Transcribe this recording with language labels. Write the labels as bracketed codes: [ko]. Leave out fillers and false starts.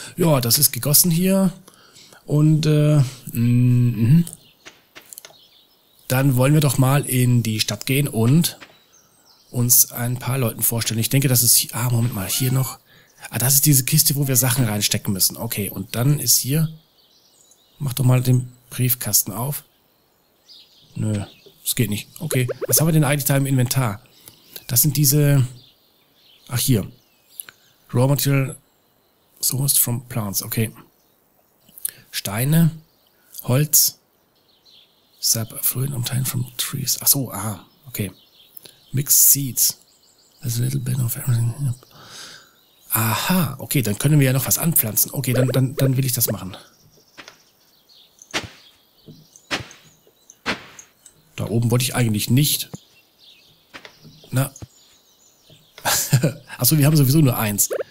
[de] Ja, das ist gegossen hier. Und, dann wollen wir doch mal in die Stadt gehen und uns ein paar Leuten vorstellen. Ich denke, das ist... Ah, Moment mal, hier noch... Ah, das ist diese Kiste, wo wir Sachen reinstecken müssen. Okay, und dann ist hier... Mach doch mal den Briefkasten auf. Nö, es geht nicht. Okay, was haben wir denn eigentlich da im Inventar? Das sind diese... Ach, hier. [en] Raw Material sourced from plants. Okay. [de] Steine, Holz, [en] sap fluid obtained from trees. [de] Ach so, aha. [en] Okay. Mixed seeds. There's a little bit of everything. [de] Aha, okay, dann können wir ja noch was anpflanzen. Okay, dann will ich das machen. Da oben wollte ich eigentlich nicht. Na. Achso, wir haben sowieso nur eins.